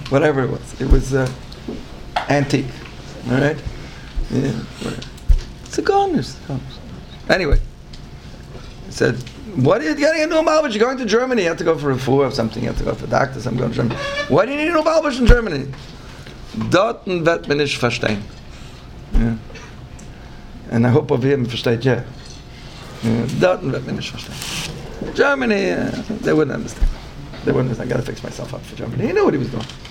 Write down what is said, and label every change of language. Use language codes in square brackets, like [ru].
[en] Whatever it was antique, all right? Yeah, it's a goneness. Anyway, I said, what are you getting a new malbush? You're going to Germany. You have to go for a fool or something. You have to go for a doctor. I'm going to Germany. Why do you need a new malbush in Germany? [yi] Dorten wird man nicht verstehen. [en] And I hope over here [yi] man versteht, yeah. Dorten wird man nicht verstehen. [en] Germany, they wouldn't understand. They wouldn't understand. I got to fix myself up for Germany. He knew what he was doing.